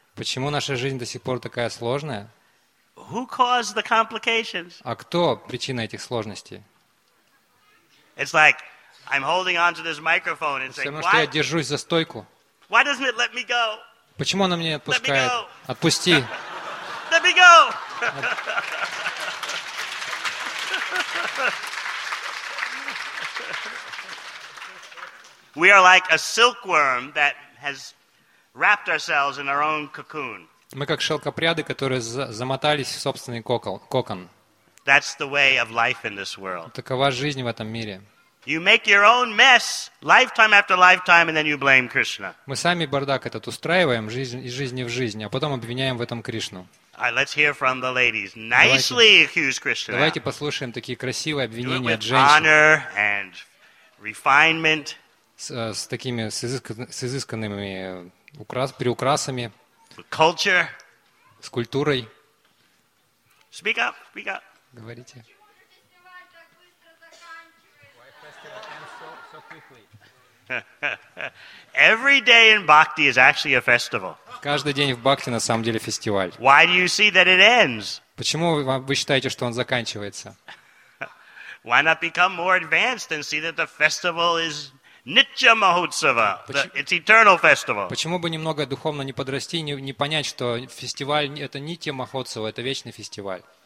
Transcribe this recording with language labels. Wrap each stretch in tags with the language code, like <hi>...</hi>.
<ru>Почему наша жизнь до сих пор такая сложная?</ru> <en>Who caused the complications?</en> <ru>А кто причина этих сложностей?</ru> <en>It's like I'm holding on to this microphone and saying,</en> <ru>что я держусь за стойку.</ru> <en>Why doesn't it let me go?</en> <ru>Почему она меня не отпускает? Отпусти.</ru> <en>Let me go. We are like a silkworm that has wrapped ourselves in our own cocoon.</en> <ru>Мы как шелкопряды, которые замотались в собственный кокон.</ru> <en>That's the way of life in this world.</en> <ru>Такова жизнь в этом мире.</ru> <en>You make your own mess lifetime after lifetime, and then you blame Krishna.</en> <ru>Мы сами бардак этот устраиваем из жизни в жизнь, а потом обвиняем в этом Кришну.</ru> <en>Let's hear from the ladies. Nicely accuse Krishna.</en> <ru>Давайте послушаем такие красивые обвинения от женщин.</ru> <en>With honor and refinement.</en> <ru>С такими с изысканными приукрасами.</ru> <en>Culture.</en> <ru>С культурой.</ru> <en>Speak up, speak up.</en> <ru>Говорите.</ru> <en>Every day in Bhakti is actually a festival.</en> <ru>Каждый день в Бхакти на самом деле фестиваль.</ru> <en>Why do you see that it ends?</en> <ru>Почему вы считаете, что он заканчивается?</ru> <en>Why not become more advanced and see that the festival is Nitya Mahotsava, it's eternal festival.</en> <ru>Почему бы немного духовно не подрасти, не понять, что фестиваль это Нитья Махотсава, это вечный фестиваль.</ru>